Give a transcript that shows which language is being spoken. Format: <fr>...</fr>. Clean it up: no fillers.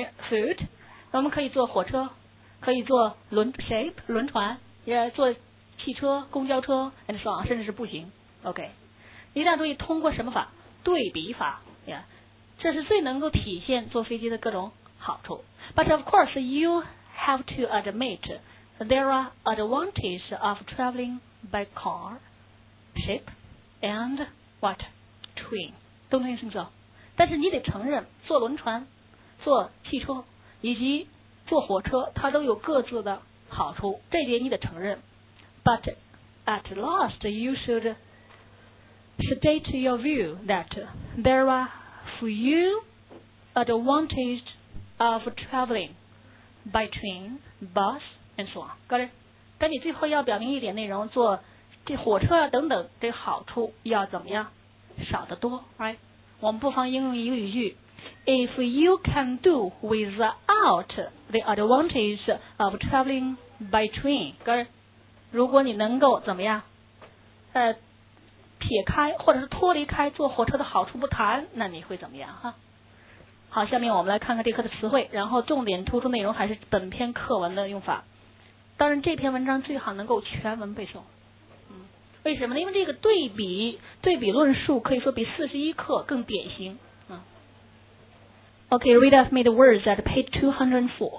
<en>food.</en> <zh>我们可以坐火车，可以坐轮船，也坐汽车、公交车 ，</zh> <en>and so on，</en> <zh>甚至是步行。 OK， 一定要注意通过什么法？对比法，这是最能够体现坐飞机的各种好处。</zh> <en>But of course, you have to admit there are advantages of traveling by car, ship, and what train，</en> <zh>都能清楚。但是你得承认，坐轮船，坐汽车。以及坐火车它都有各自的好处，这点你得承认。</zh> <en>But at last you should state your view that there are few advantages of traveling by train, bus, and so on. Got it?</en> <zh>但你最后要表明一点内容，坐这火车等等这好处要怎么样少得多，</zh> <en>right?</en> <zh>我们不妨应用一个语句，</zh> <en>If you can do without the advantage of traveling by train,</en> <zh>如果你能够怎么样，撇开或者是脱离开坐火车的好处不谈，那你会怎么样哈？好，下面我们来看看这课的词汇，然后重点突出内容还是本篇课文的用法。当然，这篇文章最好能够全文背诵。为什么呢？因为这个对比论述可以说比41课更典型。</zh> <en>Okay, read off me the words at page 205.</en>